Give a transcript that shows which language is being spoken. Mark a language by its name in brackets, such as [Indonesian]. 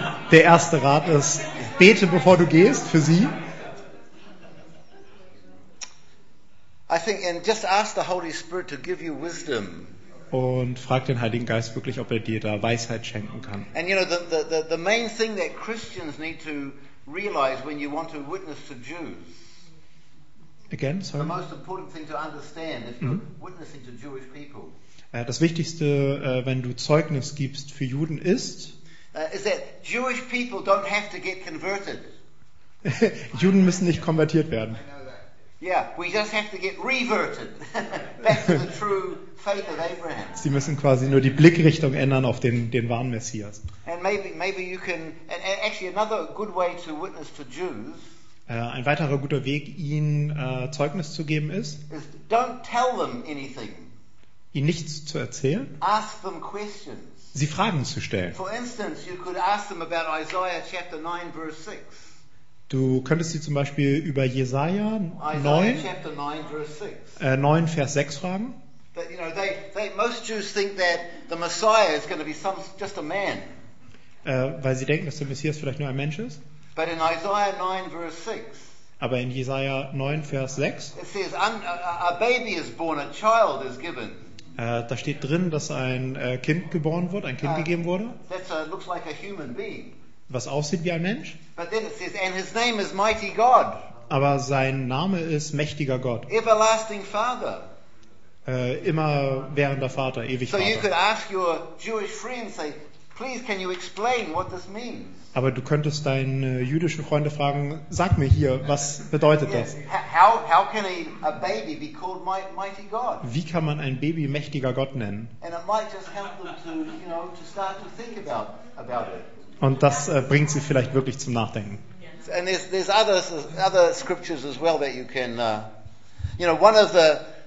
[German] Der erste Rat ist, bete bevor du gehst für sie. [English] I think and just ask the Holy Spirit to give you wisdom. [German] Und frag den Heiligen Geist wirklich, ob er dir da Weisheit schenken kann. [English] And you know the main thing that Christians need to realize when you want to witness to Jews. Again, sorry. The most important thing to understand if you're mm-hmm. witnessing to Jewish people. [German] Das Wichtigste, wenn du Zeugnis gibst für Juden, ist. [English] Is that Jewish people don't have to get converted. [German] Juden müssen nicht konvertiert werden. [English] Yeah, we just have to get reverted back to the true faith of Abraham. [German] Sie müssen quasi nur die Blickrichtung ändern auf den wahren Messias. [English] And maybe you can. And actually, another good way to witness to Jews. [German] Ein weiterer guter Weg, ihnen Zeugnis zu geben, ist. [English] Is don't tell them anything. [German] Ihnen nichts zu erzählen, [English] ask them questions. [German] Sie Fragen zu stellen. [English] For instance, you could ask them about Isaiah chapter 9, verse 6. [German] Du könntest sie zum Beispiel über Jesaja 9, [English] chapter 9, verse 6. [German] 9 Vers 6 fragen. [English] But, you know, most Jews think that the Messiah is going to be just a man. [German] Weil sie denken, dass der Messias vielleicht nur ein Mensch ist. [English] But in Isaiah 9, verse 6. [German] Aber in Jesaja 9, Vers 6. [English] It says, a baby is born, a child is given. [German] Da steht drin, dass ein Kind geboren wurde, ein Kind gegeben wurde. [English] Looks like a human being. [German] was aussieht wie ein Mensch. [English] But then it says, and his name is Mighty God. [German] Aber sein Name ist mächtiger Gott. [English] Everlasting Father. [German] Immerwährender Vater, ewig so Vater. [English] You could ask your Jewish friend, say, please, can you explain what this means? [German] Aber du könntest deinen jüdischen Freunde fragen, sag mir hier, was bedeutet das? [English] How can a baby be called mighty God? [German] Wie kann man ein Baby mächtiger Gott nennen? [English] And it might just help them to, you know, to start to think about it. [German] Und das bringt sie vielleicht wirklich zum Nachdenken. [English] And there's other scriptures as well that you can, you know, one of the.